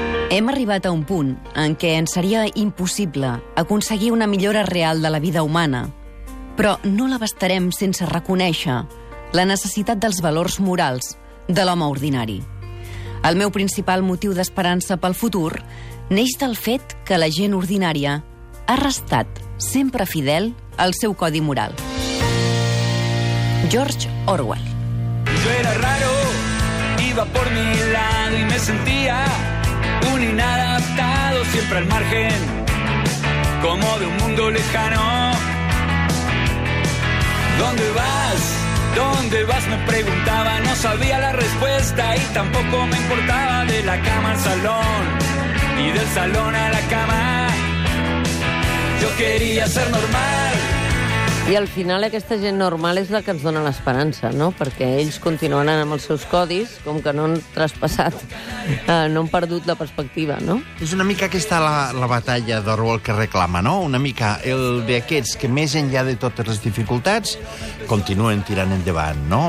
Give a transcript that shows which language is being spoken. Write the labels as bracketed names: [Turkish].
[Catalan] Hem arribat a un punt en què ens seria impossible aconseguir una millora real de la vida humana, però no la bastarem sense reconèixer la necessitat dels valors morals de l'home ordinari. El meu principal motiu d'esperança pel futur neix del fet que la gent ordinària ha restat sempre fidel al seu codi moral. George Orwell. [Spanish] Jo era raro, iba por mi lado y me sentía un inadaptado, siempre al margen, como de un mundo lejano. ¿Dónde vas? ¿Dónde vas? Me preguntaba, no sabía la respuesta y tampoco me importaba. De la cama al salón y del salón a la cama, yo quería ser normal. [Catalan] I al final aquesta gent normal és la que ens dona l'esperança, no? Perquè ells continuaran amb els seus codis, com que no han traspassat No han perdut la perspectiva, no? És una mica aquesta la batalla d'Orwell que reclama, no? Una mica el d'aquests que més enllà de totes les dificultats continuen tirant endavant, no?